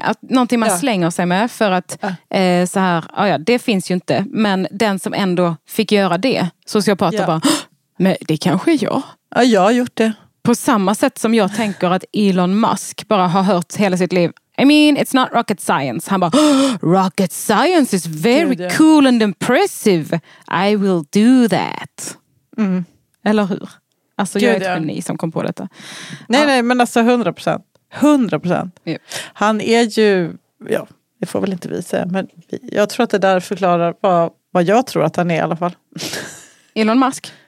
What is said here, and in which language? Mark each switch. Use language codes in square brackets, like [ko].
[sv] Att någonting man slänger sig med för att... så här, ja, det finns ju inte. Men den som ändå fick göra det, sociopater bara... Men det kanske är jag. Ja, jag har gjort det. På samma sätt som jag tänker att Elon Musk bara har hört hela sitt liv... [en] I mean, it's not rocket science. [sv] Han bara, [en] rocket science is very cool and impressive. I will do that. Mm. [sv] Eller hur? Alltså, jag är ett geni som kom på detta. Nej, men alltså 100%. 100%. [en] Yep. [sv] Han är ju, ja, det får väl inte vi säga. Men jag tror att det där förklarar vad jag tror att han är i alla fall. Elon Musk?